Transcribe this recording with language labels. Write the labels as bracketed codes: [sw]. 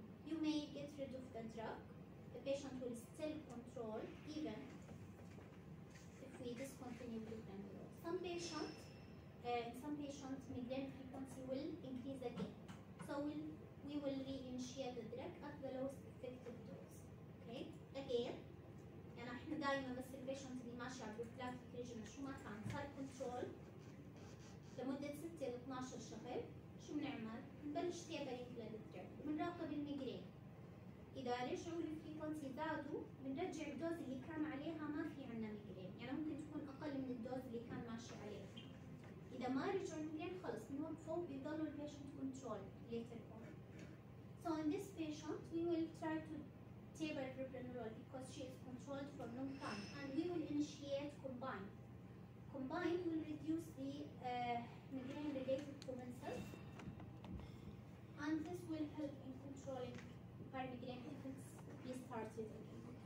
[en] You may get rid of the drug. The patient will still control even if we discontinue the prophylactic. In some patients, migraine frequency will increase again. So we will re-initiate the drug at the lowest effective dose. Okay? [ar] Again, يعني احنا دائما بس البيشنت اللي ماشي على البروفلاكتيك ريجيم شو ما كان صار كنترول لمدة 6 إلى 12 شهر، شو بنعمل؟ بنبلش تيبرينج للدرج، بنراقب المجرين. إذا رجعوا الفريكونسي زادوا، بنرجع الدوز اللي كان عليها ما في عنا ميجرين، يعني ممكن تكون اقل من الدوز اللي كان ماشي عليه. اذا ما رجعوا الميجرين خلص بنوقفوا، بيضلوا البيشنت كنترول ليتر اون. [en] So in this patient we will try to taper propranolol because she is controlled for long time, and we will initiate combined. Combined will reduce the migraine related commensals, and this will help in controlling her migraine if it's restarted again.